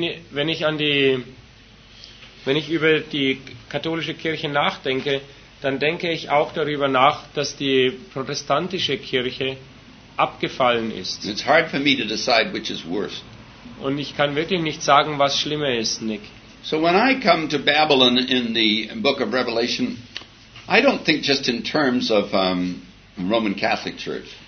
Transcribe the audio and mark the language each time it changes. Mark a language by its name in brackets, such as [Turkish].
[German] wenn ich über die katholische Kirche nachdenke, dann denke ich auch darüber nach, dass die protestantische Kirche abgefallen ist. [English] It's hard for me to decide which is worse. [German] Und ich kann wirklich nicht sagen, was schlimmer ist, Nick. [English] So when I come to Babylon in the book of Revelation, I don't think just in terms of Roman Catholic Church.